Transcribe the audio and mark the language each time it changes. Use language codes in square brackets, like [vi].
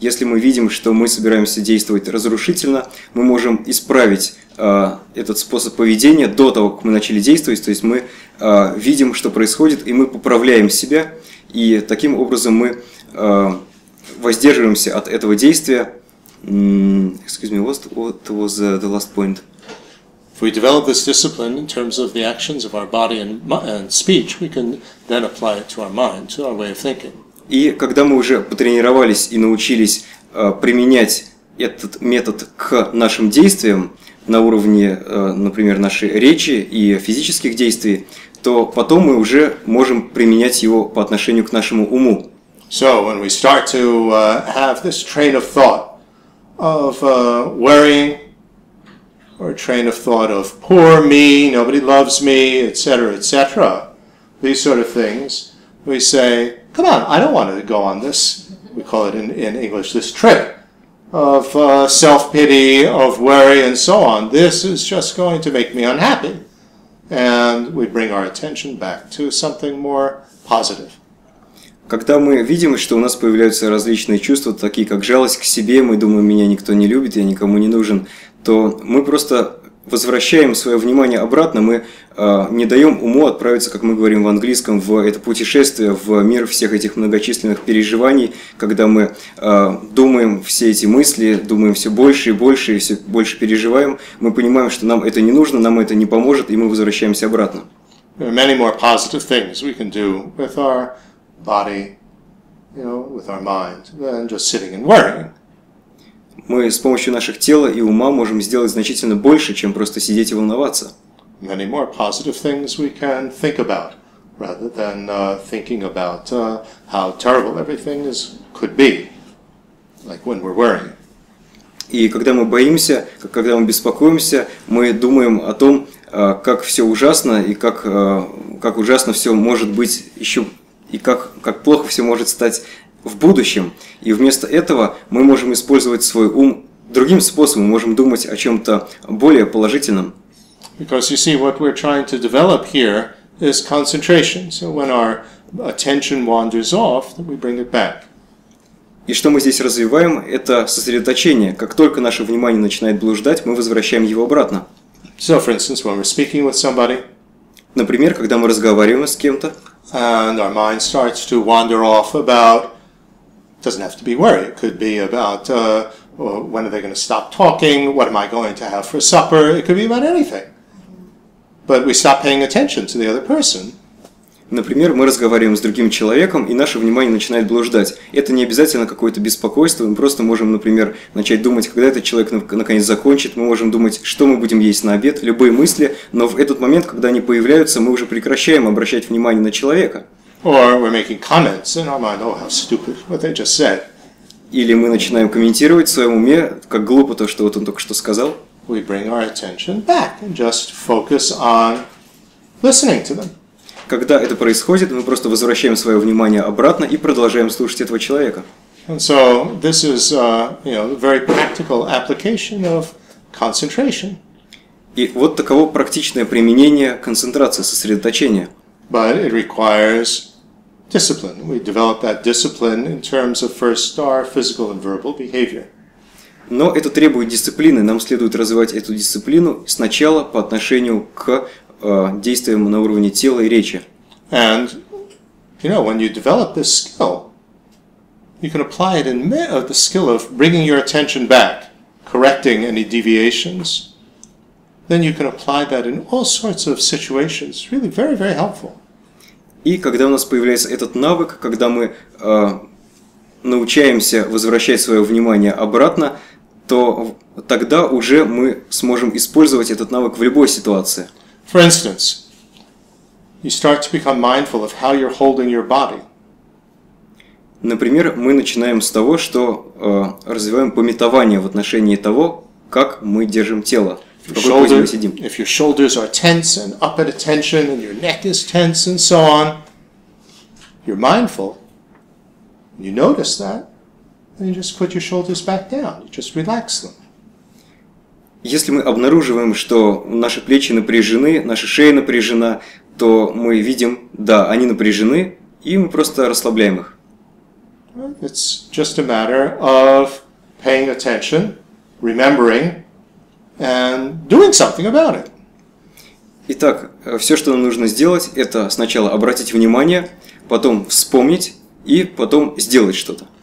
[ru] Если мы видим, что мы собираемся действовать разрушительно, мы можем исправить этот способ поведения до того, как мы начали действовать. То есть мы видим, что происходит, и мы поправляем себя. И таким образом мы воздерживаемся от этого действия. [en] Excuse me, what was the last point? If we develop this discipline in terms of the actions of our body and speech, we can then apply it to our mind, to our way of thinking. [ru] И когда мы уже потренировались и научились применять этот метод к нашим действиям на уровне, например, нашей речи и физических действий, то потом мы уже можем применять его по отношению к нашему уму. [en] So when we start to have this train of thought of worrying, or a train of thought of poor me, nobody loves me, etc., etc., these sort of things, we say, come on, I don't want to go on this, we call it in English, this trip of self-pity, of worry, and so on. This is just going to make me unhappy. And we bring our attention back to something more positive. [ru] Когда мы видим, что у нас появляются различные чувства, такие как жалость к себе, мы думаем, меня никто не любит, я никому не нужен, то мы просто возвращаем свое внимание обратно, мы не даем уму отправиться, как мы говорим в английском, в это путешествие, в мир всех этих многочисленных переживаний, когда мы думаем все эти мысли, думаем все больше и больше, и все больше переживаем, мы понимаем, что нам это не нужно, нам это не поможет, и мы возвращаемся обратно. [en] There are many more positive things we can do with our body, you know, with our mind, than just sitting and worrying. [ru] Мы с помощью наших тела и ума можем сделать значительно больше, чем просто сидеть и волноваться. [en] Many more positive things we can think about, rather than thinking about how terrible everything is could be, like when we're worrying. [ru] И когда мы боимся, когда мы беспокоимся, мы думаем о том, как все ужасно и как ужасно все может быть еще и как плохо все может стать в будущем. И вместо этого мы можем использовать свой ум другим способом, мы можем думать о чем-то более положительном. [en] Because you see, what we're trying to develop here is concentration. So when our attention wanders off, then we bring it back. [ru] И что мы здесь развиваем, это сосредоточение. Как только наше внимание начинает блуждать, мы возвращаем его обратно. [en] So, for instance, when we're speaking with somebody, [ru] например, когда мы разговариваем с кем-то, [en] and our mind starts to wander off about, doesn't have to be worry, it could be about when are they going to stop talking, what am I going to have for supper, it could be about anything. But we stop paying attention to the other person. [ru] Например, мы разговариваем с другим человеком, и наше внимание начинает блуждать. Это не обязательно какое-то беспокойство, мы просто можем, например, начать думать, когда этот человек наконец закончит, мы можем думать, что мы будем есть на обед, любые мысли, но в этот момент, когда они появляются, мы уже прекращаем обращать внимание на человека. [en] Or we're making comments in our mind, oh, how stupid what they just said. [ru] Или мы начинаем комментировать в своем уме, как глупо то, что вот он только что сказал. [en] We bring our attention back and just focus on listening to them. [ru] Когда это происходит, мы просто возвращаем свое внимание обратно и продолжаем слушать этого человека. [en] And so this is a very practical application of concentration. [ru] И вот таково практичное применение концентрации, сосредоточения. [en] But it requires discipline. We develop that discipline in terms of first our physical and verbal behavior. [ru] Но это требует дисциплины. Нам следует развивать эту дисциплину сначала по отношению к действиям на уровне тела и речи. [en] And, you know, when you develop this skill, you can apply it in the skill of bringing your attention back, correcting any deviations. Then you can apply that in all sorts of situations. Really very, very helpful. [ru] И когда у нас появляется этот навык, когда мы научаемся возвращать свое внимание обратно, то тогда уже мы сможем использовать этот навык в любой ситуации. [en] For instance, you start to become mindful of how you're holding your body. [ru] Например, мы начинаем с того, что развиваем памятование в отношении того, как мы держим тело, в какой позе мы сидим. [en] If your shoulders are tense and up at attention, and your neck is tense and so on, you're mindful. You notice that, and you just put your shoulders back down. You just relax them. [ru] Если мы обнаруживаем, что наши плечи напряжены, наша шея напряжена, то мы видим, да, они напряжены, и мы просто расслабляем их. [en] It's just a matter of paying attention, remembering, and doing something about it. [ru] Итак, все, что нам нужно сделать, это сначала обратить внимание, потом вспомнить, и потом сделать что-то.